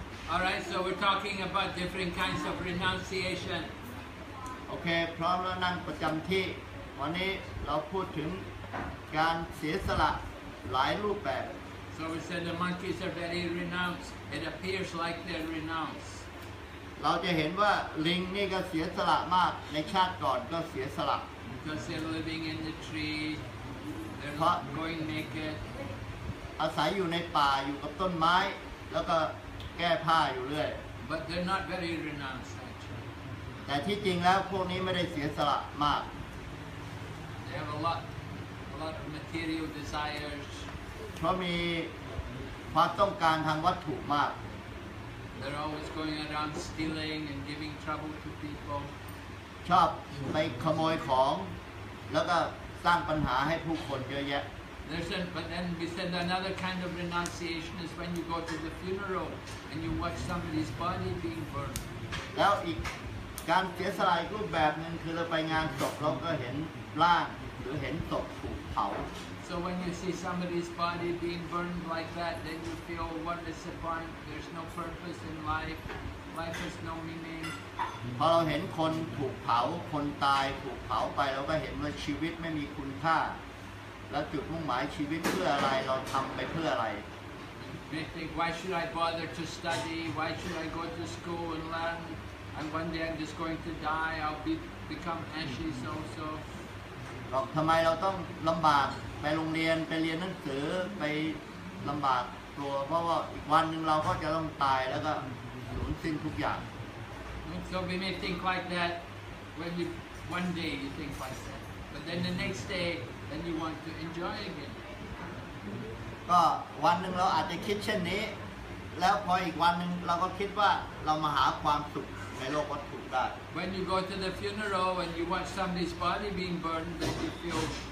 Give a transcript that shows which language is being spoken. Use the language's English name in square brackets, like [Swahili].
[English] All right, so we're talking about different kinds of renunciation. Okay, problem number three. Today we're talking about renunciation. So we said the monkeys are very renounced. It appears like they're renounced. [Thai] เราจะเห็นว่าลิงนี่ก็เสียสละมากในชาติก่อนก็เสียสละ [English] Because they're living in the tree, they're not going naked. [Thai] อาศัยอยู่ในป่าอยู่กับต้นไม้แล้วก็แก้ผ้าอยู่เรื่อย [English] But they're not very renounced actually. [Thai] แต่ที่จริงแล้วพวกนี้ไม่ได้เสียสละมาก [English] They have a lot of material desires. [Thai] เพราะมีความต้องการทางวัตถุมาก [English] They're always going around stealing and giving trouble to people. [Thai] ชอบไปขโมยของแล้วก็สร้างปัญหาให้ผู้คนเยอะแยะ [English] But then we said another kind of renunciation is when you go to the funeral and you watch somebody's body being burned. [Thai] แล้วอีกการเสียสละรูปแบบนึงคือเราไปงานศพเราก็เห็นร่างหรือเห็นศพถูกเผา [English] So when you see somebody's body being burned like that, then you feel what is the point? There's no purpose in life. Life has no meaning. [Thai] พอเราเห็นคนถูกเผาคนตายถูกเผาไปเราก็เห็นว่าชีวิตไม่มีคุณค่าแล้วจุดมุ่งหมายชีวิตเพื่ออะไรเราทำไปเพื่ออะไร [English] We think, why should I bother to study? Why should I go to school and learn? And one day I'm just going to die. I'll become ashes also. [Thai] บอกทำไมเราต้องลำบากไปโรงเรียนไปเรียนหนังสือไปลำบากตัวเพราะว่าอีกวันนึงเราก็จะต้องตายแล้วก็สูญสิ้นทุกอย่าง [English] So we may think like that when you one day you think like that but then the next day then you want to enjoy again [Thai] ก็วันนึงเราอาจจะคิดเช่นนี้แล้วพออีกวันนึงเราก็คิดว่าเรามาหาความสุขในโลกวัตถุได้ [English] When you go to the funeral and you watch somebody's body being burned then you feel